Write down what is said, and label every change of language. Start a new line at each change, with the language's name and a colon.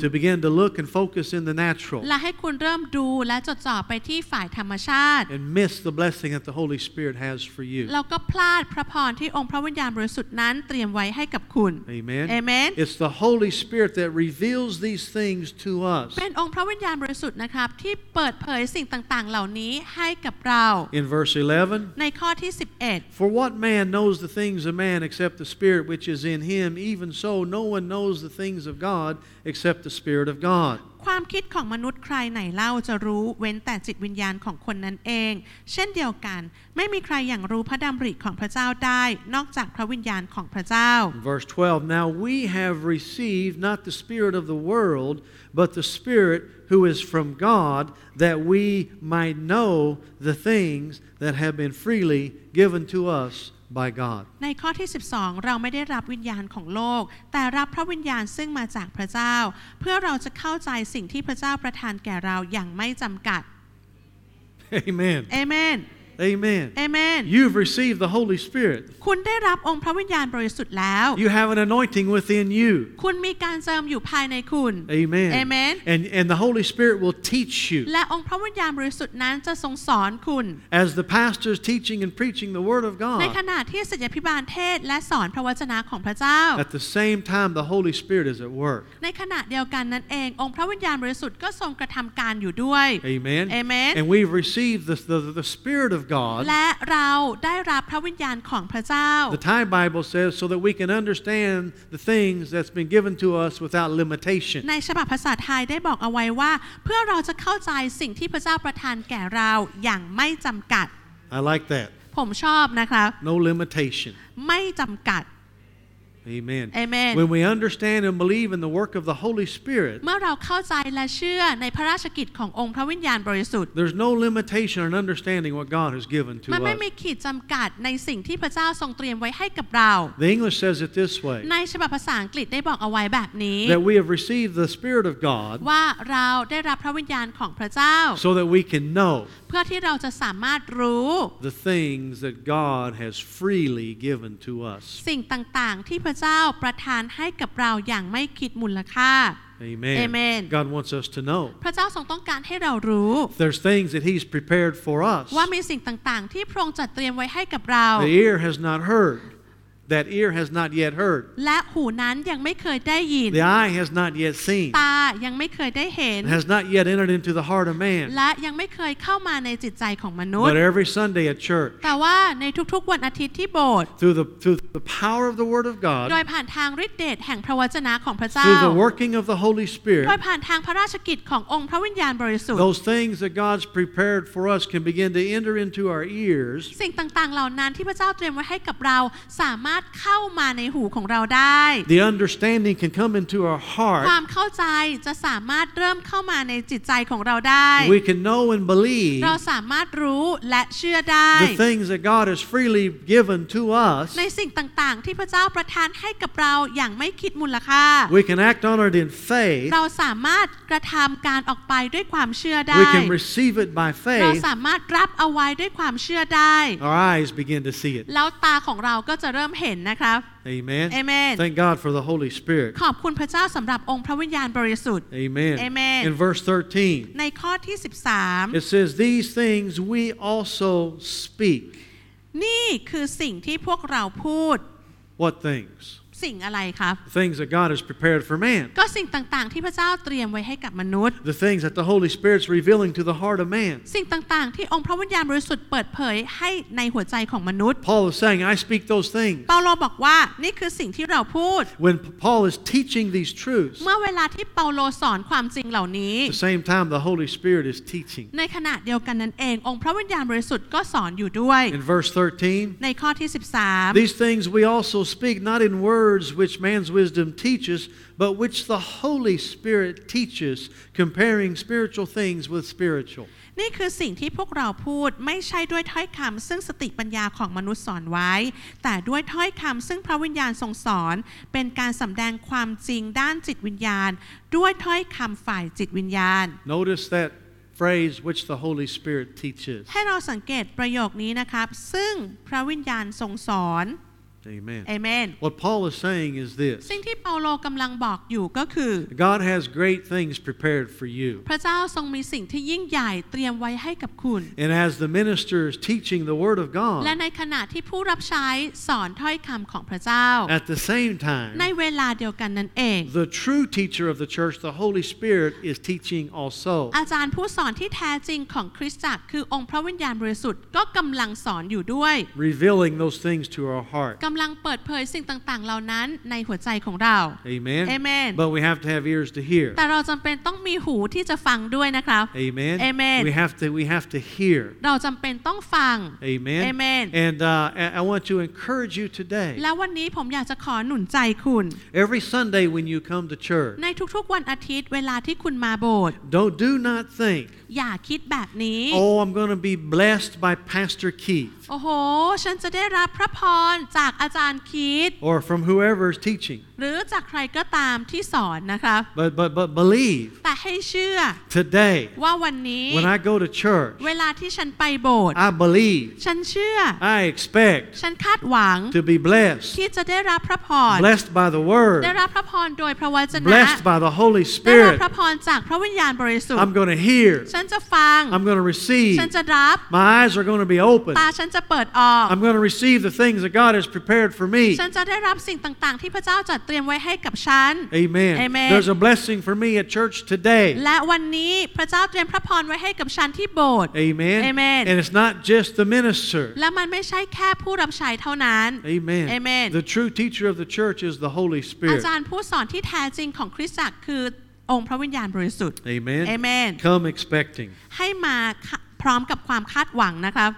English: To begin to look and focus in the natural.
Thai: และให้คุณเริ่มดูและจดจ่อไปที่ฝ่ายธรรมชาติ
English: And miss the blessing that the Holy Spirit has for you.
Thai: แล้วก็พลาดพระพรที่องค์พระวิญญาณบริสุทธิ์นั้นเตรียมไว้ให้กับคุณ
English: Amen. Amen. It's the Holy Spirit that reveals these things to us.
Thai: เป็นองค์พระวิญญาณบริสุทธิ์นะครับที่เปิดเผยสิ่งต่างๆเหล่านี้ให้กับเรา
English: In verse 11.
Thai: ในข้อที่11.
English: For what man knows the things of man except the Spirit whichis in him even so no one knows the things of God except the spirit of God
Thai: ความคิดของมนุษย์ใครไหนเล่าจะรู้เว้นแต่จิตวิญญาณของคนนั้นเองเช่นเดียวกันไม่มีใครอย่างรู้พระดำริของพระเจ้าได้นอกจากพระวิญญาณของพระเจ้า
English: verse 12 now we have received not the spirit of the world but the spirit who is from God that we might know the things that have been freely given to usby God
Thai: ในข้อที่12เราไม่ได้รับวิญญาณของโลกแต่รับพระวิญญาณซึ่งมาจากพระเจ้าเพื่อเราจะเข้าใจสิ่งที่พระเจ้าประทานแก่เราอย่างไม่จำกัด
English: Amen Amen Amen Amen You've received the Holy Spirit
Thai: คุณได้รับองค์พระวิญญาณบริสุทธิ์แล้ว
English: You have an anointing within you
Thai: คุณมีการเจิมอยู่ภายในคุณ
English: Amen Amen And the Holy Spirit will teach you
Thai: และองค์พระวิญญาณบริสุทธิ์นั้นจะทรงสอนคุณ
English: As the pastor is teaching and preaching the word of God
Thai: ในขณะที่ศิษยาภิบาลเทศและสอนพระวจนะของพระเจ้า
English: At the same time the Holy Spirit is at work
Thai: ในขณะเดียวกันนั้นเององค์พระวิญญาณบริสุทธิ์ก็ทรงกระทำการอยู่ด้วย
English: Amen Amen And we've received the Spirit of
Thai: และเราได้รับพระวิญญาณของพระเจ้า
English: The Thai Bible says so that we can understand the things that's been given to us without limitation
Thai: ในฉบับภาษาไทยได้บอกเอาไว้ว่าเพื่อเราจะเข้าใจสิ่งที่พระเจ้าประทานแก่เราอย่างไม่จำกัด
English: I like that
Thai: ผมชอบนะครับ
English: No limitation
Thai: ไม่จำกัด
English: Amen. Amen. When we understand and believe in the work of the Holy Spirit,
Thai: เมื่อเราเข้าใจและเชื่อในพระราชกิจขององค์พระวิญญาณบริสุทธิ์
English: There's no limitation in understanding what God has given to us.
Thai: มันไม่มีขีดจำกัดในสิ่งที่พระเจ้าทรงเตรียมไว้ให้กับเรา
English: The English says it this way.
Thai: ในฉบับภาษาอังกฤษได้บอกเอาไว้แบบนี้
English: That we have received the Spirit of God.
Thai: ว่าเราได้รับพระวิญญาณของพระเจ้า
English: So that we can know.
Thai: เพื่อที่เราจะสามารถรู้
English: The things that God has freely given to us.
Thai: สิ่งต่างๆที่พระเจ้าประทานให้กับเราอย่างไม่คิดมูลค่า
English: Amen. Amen. God wants us to know.
Thai: พระเจ้าทรงต้องการให้เรารู้
English: There's things that He's prepared for us.
Thai: ว่ามีสิ่งต่างๆที่พระองค์จัดเตรียมไว้ให้กับเรา
English: The ear has not heard. That ear has not yet heard.
Thai: และหูนั้นยังไม่เคยได้ยิน
English: The eye has not yet seen.
Thai: ตายังไม่เคยได้เห็น
English: Has not yet entered into the heart of man.
Thai: และยังไม่เคยเข้ามาในจิตใจของมนุษย์
English: But every Sunday at church.
Thai: แต่ว่าในทุกๆวันอาทิตย์ที่โบสถ์
English: Through the power of the word of God.
Thai: โดยผ่านทางฤทธิ์เดชแห่งพระวจนะของพระเจ้า
English: Through the working of the Holy Spirit.
Thai: โดยผ่านทางพระราชกิจขององค์พระวิญญาณบริสุทธิ์
English: Those things that God's prepared for us can begin to enter into our ears.
Thai: สิ่งต่างๆเหล่านั้นที่พระเจ้าเตรียมไว้ให้กับเราสามารถ ารถเข้ามาในหูของเราได้
English: The understanding can come into our heart
Thai: ความเข้าใจจะสามารถเริ่มเข้ามาในจิตใจของเราได้
English: We can know and believe
Thai: เราสามารถรู้และเชื่อได้
English: The things that God has freely given to us
Thai: ในสิ่งต่างๆที่พระเจ้าประทานให้กับเราอย่างไม่คิดมูลค่า
English: We can act on it in faith
Thai: เราสามารถกระทำการออกไปด้วยความเชื่อ ได้
English: We can receive it by faith
Thai: เราสามารถรับเอาไว้ด้วยความเชื่อได้
English: Our eyes begin to see it
Thai: แล้วตาของเราก็จะเริ่มเห็นนะครับ
English: Amen Amen Thank God for the Holy Spirit
Thai: ขอบคุณพระเจ้าสำหรับองค์พระวิญญาณบริสุทธิ์
English: Amen Amen In verse 13
Thai: ในข้อที่13
English: It says these things we also speak
Thai: นี่คือสิ่งที่พวกเราพูด
English: What things
Thai: สิ่งอะไรครับ
English: Things that God has prepared for man
Thai: ก็สิ่งต่างๆที่พระเจ้าเตรียมไว้ให้กับมนุษย์
English: The things that the Holy Spirit's revealing to the heart of man
Thai: สิ่งต่างๆที่องค์พระวิญญาณบริสุทธิ์เปิดเผยให้ในหัวใจของมนุษย์
English: Paul is saying I speak those things
Thai: เปาโลบอกว่านี่คือสิ่งที่เราพูด
English: When Paul is teaching these truths
Thai: เมื่อเวลาที่เปาโลสอนความจริงเหล่านี้
English: The same time the Holy Spirit is teaching
Thai: ในขณะเดียวกันนั้นเององค์พระวิญญาณบริสุทธิ์ก็สอนอยู่ด้วย
English: In verse 13
Thai: ในข้อที่13
English: These things we also speak not in wordsWhich man's wisdom teaches, but which the Holy Spirit teaches, comparing spiritual things with spiritual.
Thai: นี่คือสิ่งที่พวกเราพูดไม่ใช่ด้วยถ้อยคำซึ่งสติปัญญาของมนุษย์สอนไว้แต่ด้วยถ้อยคำซึ่งพระวิญญาณทรงสอนเป็นการสำแดงความจริงด้านจิตวิญญาณด้วยถ้อยคำฝ่ายจิตวิญญาณ
English: Notice that phrase which the Holy Spirit teaches.
Thai: ให้เราสังเกตประโยคนี้นะครับซึ่งพระวิญญาณทรงสอน
English: Amen. Amen. What Paul is saying is this.
Thai: สิ่งที่เปาโลกำลังบอกอยู่ก็คือ
English: God has great things prepared for you.
Thai: พระเจ้าทรงมีสิ่งที่ยิ่งใหญ่เตรียมไว้ให้กับคุณ
English: And as the minister is teaching the word of God.
Thai: และในขณะที่ผู้รับใช้สอนถ้อยคำของพระเจ้า
English: At the same time.
Thai: ในเวลาเดียวกันนั้นเอง
English: The true teacher of the church, the Holy Spirit, is teaching also.
Thai: อาจารย์ผู้สอนที่แท้จริงของคริสตจักรคือองค์พระวิญญาณบริสุทธิ์ก็กำลังสอนอยู่ด้วย
English: Revealing those things to our heart.
Thai: กำลังเปิดเผยสิ่งต่างๆเหล่านั้นในหัวใจของเรา
English: Amen. Amen. But we have to have ears to hear.
Thai: แต่เราจำเป็นต้องมีหูที่จะฟังด้วยนะครับ
English: Amen. Amen. We have to hear.
Thai: เราจำเป็นต้องฟัง
English: Amen. Amen. And I want to encourage you today.
Thai: และวันนี้ผมอยากจะขอหนุนใจคุณ
English: Every Sunday when you come to church.
Thai: ในทุกๆวันอาทิตย์เวลาที่คุณมาโบสถ์
English: Don't do not think.
Thai: อย่าคิดแบบนี้
English: Oh, I'm going to be blessed by Pastor Keith.
Thai: โอ้โหฉันจะได้รับพระพรจากอาจารย์คีธ
English: Or from whoever is teaching.
Thai: หรือจากใครก็ตามที่สอนนะครับ
English: But believe.
Thai: แต่ให้เชื่อ
English: Today.
Thai: ว่าวันนี้
English: When I go to church.
Thai: เวลาที่ฉันไปโบสถ์
English: I believe.
Thai: ฉันเชื่อ
English: I expect.
Thai: ฉันคาดหวัง
English: To be blessed.
Thai: ที่จะได้รับพระพร
English: Blessed by the word.
Thai: ได้รับพระพรโดยพระวจนะ
English: Blessed by the Holy Spirit.
Thai: ได้รับพระพรจากพระวิญญาณบริสุทธิ์
English: I'm going to hear
Thai: ฉันจะฟัง
English: I'm going to receive
Thai: ฉันจะรับ
English: My eyes are going to be opened
Thai: ตาฉันจะเปิดออก
English: I'm going to receive the things that God has prepared for me
Thai: ฉันจะได้รับสิ่งต่างๆที่พระเจ้าจัดเตรียมไว้ให้กับฉัน
English: Amen Amen There's a blessing for me at church today
Thai: และวันนี้พระเจ้าเตรียมพระพรไว้ให้กับฉันที่โบสถ์
English: Amen Amen And it's not just the minister
Thai: และมันไม่ใช่แค่ผู้รับใช้เท่านั้น
English: Amen Amen The true teacher of the church is the Holy Spirit
Thai: อาจารย์ผู้สอนที่แท้จริงของคริสตจักรคือองค์พระวิญญาณบริสุทธิ์
English: Amen. Amen. Come expecting.
Thai: ให้มาพร้อมกับความคาดหวังนะครับ